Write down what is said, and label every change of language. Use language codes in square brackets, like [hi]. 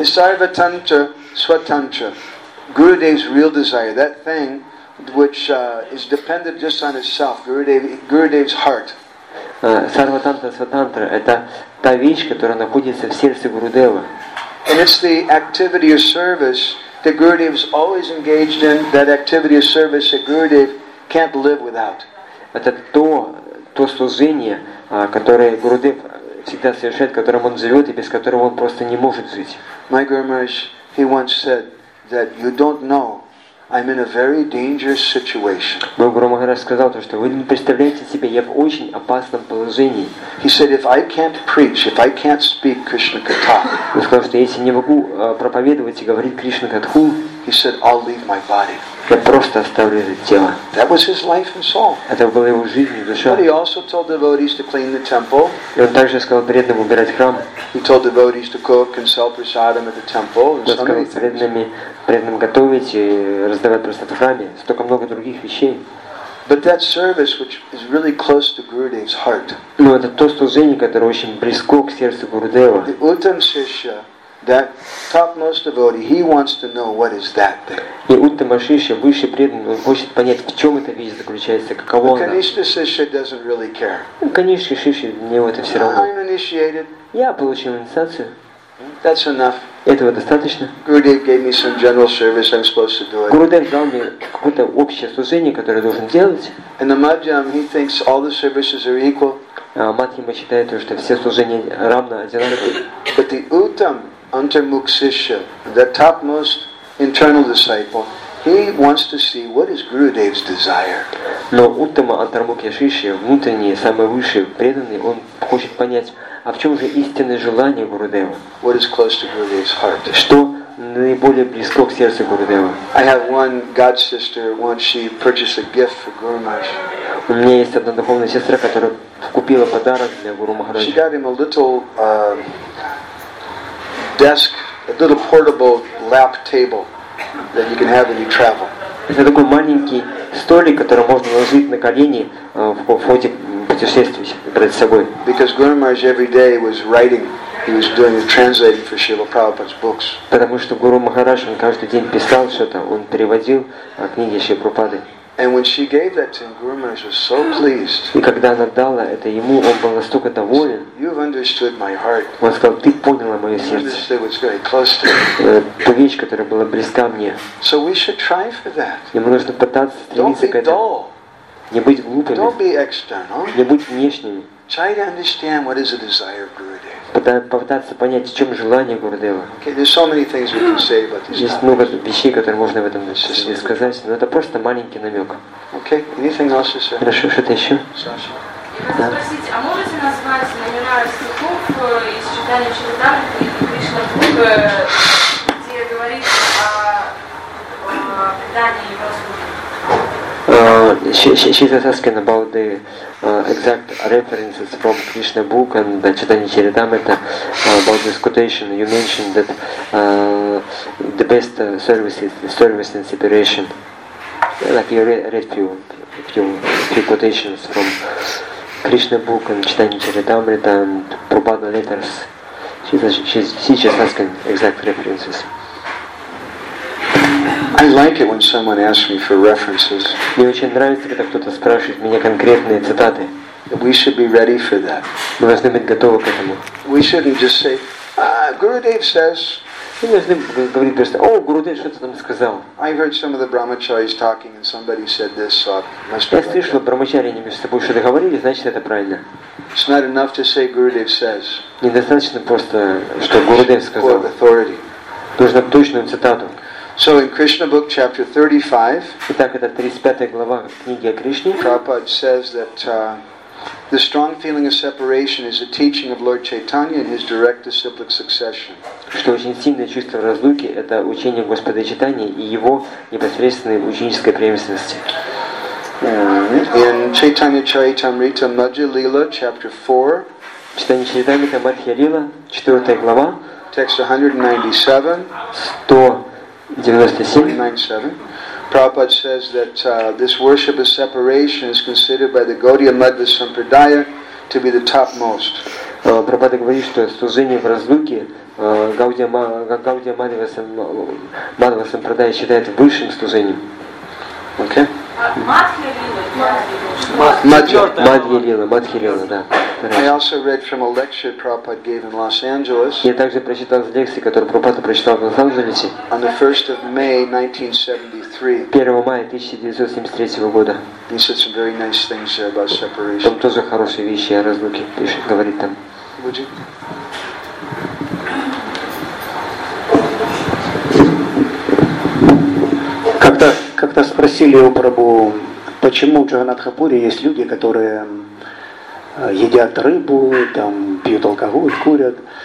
[en] Sarvatantra, svatantra, Gurudev's real desire, that thing which is dependent just on itself, Gurudev's heart. [ru] Sarvatantra, svatantra, это та вещь, которая находится в сердце Гурудева. [en] And it's the activity of service that Gurudev is always engaged in. That activity of service that Gurudev can't live without. [ru] Это то служение, которое Гурудев всегда совершает, которым он живет и без которого он просто не может жить. [en] My Guru Maharaj, he once said that you don't know, I'm in a very dangerous situation. [ru] Мой Гуру Махарадж сказал то, что вы не представляете себе, я в очень опасном положении. [en] He said, if I can't preach, if I can't speak Krishna Katha. [ru] Он сказал, что если не могу проповедовать и говорить Кришна Катху, [en] he said, I'll leave my body. [ru] Я просто оставлю это тело. [en] That was his life and soul. [ru] Это была его жизнь и душа. [en] But he also told devotees to clean the temple. [ru] И он также сказал преданным убирать храм. [en] He told devotees to cook and sell prasadam at the temple. [ru] Он сказал преданным готовить и раздавать просто в храме. Столько много других вещей. [en] But that service, which is really close to Gurudev's heart. [ru] Но это то служение, которое очень близко к сердцу Гурудева. [en] The uttam shishya. That topmost devotee, he wants to know what is that thing. [ru] И уттама шишья, высший преданный, он хочет понять, в чем эта вещь заключается, каково она. [en] Каништа шишья doesn't really care. [ru] Каништа шишья, мне это все равно. [en] I'm initiated. [ru] Я получил инициацию. [en] That's enough. [ru] Этого достаточно? [en] Gurudev gave me some general service I'm supposed to do. [ru] Gurudev дал мне какое-то общее служение, которое я должен делать. [en] And the Madhyam, he thinks all the services are equal. [ru] Мадхьяма считает, что все служения равны, одинаковы. [en] But the Uttam Antarmukshishya, the topmost internal disciple, he wants to see what is Gurudev's desire. [ru] Но Уттама Антармукхишишья, внутренний, самый высший, преданный, он хочет понять, а в чем же истинное желание Гурудева? [en] What is close to Gurudev's heart? [ru] Что наиболее близко к сердцу Гурудева? [en] I have one god sister, once she purchased a gift for Guru Maharaj. [ru] У меня есть одна духовная сестра, которая купила подарок для Гуру Махараджа. [en] She got him a little desk, a little portable lap table that you can have when you travel. [ru] Это такой маленький столик, который можно ложить на колени в ходе путешествий перед собой. [en] Because Guru Maharaj every day was writing, he was doing the translating for Srila Prabhupada's books. [ru] Потому что Гуру Махарадж, он каждый день писал что-то, он переводил книги Шри Прабхупады. [en] And when she gave that to him, Guru Maharaj was so pleased. [ru] И когда она дала это ему, он был настолько доволен. [en] You've understood my heart. Он сказал, ты поняла мое сердце. Understood what's very close to me. [ru] Вещь, которая была близка мне. [en] So we should try for that. [ru] Ему нужно пытаться стремиться к этому. Не быть глупыми. [en] Don't be external. [ru] Не быть внешними. Try to understand what is the desire of Gurudev. Попытаться понять, в чем желание Гурудева. Есть много вещей, которые можно в этом сказать, но это просто маленький намек. Хорошо, что-то еще? Да. Спросить, а можете назвать номера стихов из читания Чаритамриты и Кришна Бхага, где говорится о предании его слуги? [en] She's asking about the exact references from Krishna book and the Chaitanya Charitamrita about this quotation. You mentioned that the best service is the service and separation. Like you read few quotations from Krishna book and Chaitanya Charitamrita and Prabhupada letters. She's just asking exact references. I like it when someone asks me for references. [ru] Мне очень нравится, когда кто-то спрашивает меня конкретные цитаты. [en] We should be ready for that. [ru] Мы должны быть готовы к этому. [en] We shouldn't just say, Gurudev says. [ru] Мы должны говорить просто, о, Гурудев что-то там сказал. [en] I heard some of the brahmacharis talking and somebody said this, so it must be. [ru] Я слышал, брахмачари они между собой что-то говорили, значит это правильно. [en] It's not enough to say Gurudev says. [ru] Недостаточно просто, что Гурудев сказал. Нужно точную цитату. [en] So in Krishna book chapter 35, [ru] Итак, это 35 глава книги о Кришне. [en] Prabhupada says that the strong feeling of separation is a teaching of Lord Chaitanya in his direct disciplic succession. [ru] Что очень сильное чувство разлуки – это учение Господа Чайтаньи и его непосредственной ученической преемственности. [en] In Chaitanya Charitamrita Madhya Lila chapter 4, [ru] Чайтанья Чаритамрита Мадхья Лила, 4 глава, [en] text 197. [ru] 97. [en] Prabhupada says that this worship of separation is considered by the Gaudiya Madhva Sampradaya to be the topmost. [ru] Prabhupada говорит, что служение в разлуке Гаудия Мадхва Сампрадая считает высшим служением. [en] Okay. [ru] Мадхья Лила, да. [en] I also read from a lecture Prabhupada gave in Los Angeles. [ru] Я также прочитал из лекции, которую Прабхупада прочитал в Лос-Анджелесе. [en] On the 1st of May 1973. [ru] 1 мая 1973 года. [en] He said some very nice things there about separation. [ru] Там тоже хорошие вещи о разлуке пишет, говорит там. [en] Would you? [ru] Как-то спросили у Прабху, почему в Джаганатхапуре есть люди, которые едят рыбу, там пьют алкоголь, курят.